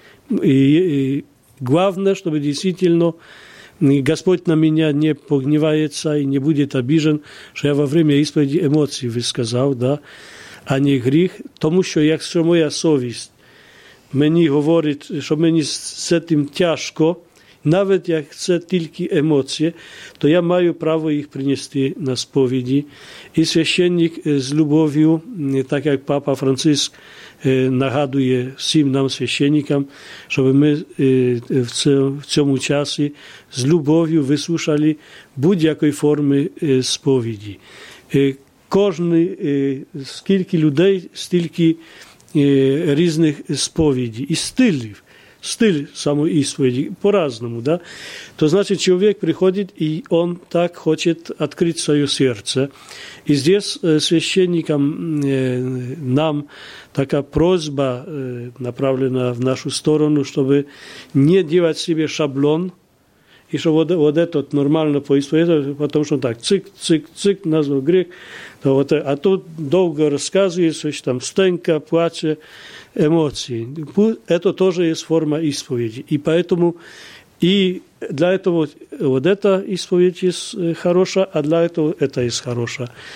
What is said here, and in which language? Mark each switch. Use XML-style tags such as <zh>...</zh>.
<ru>И главное, чтобы действительно Господь на меня не погневается и не будет обижен, что я во время исповеди эмоции высказал, да, а не грех. Потому что если моя совесть мне говорит, что мне с этим тяжко, даже если это только эмоции, то я имею право их принести на исповеди. И священник с любовью, так как</ru> <uk>Папа Франциск нагадує всім нам, священникам, щоб ми в цьому часі з любов'ю вислушали будь-якої форми сповіді. Кожен, скільки людей, стільки різних сповідей і стилів, стиль самоісповіді по-разному. Да? То значить, чоловік приходить і він так хоче відкрити своє серце. І здесь священникам нам така просьба направлена в нашу сторону, щоб не робити собі шаблон, і щоб от це нормально поісповідати, тому що так, цик-цик-цик, назвав гріх, то от, а тут довго розказує, щось там стенка, плаче, емоції. Це теж є форма ісповіді. І тому і</uk> <ru>для этого вот эта исповедь хороша, а для этого эта хороша.</ru>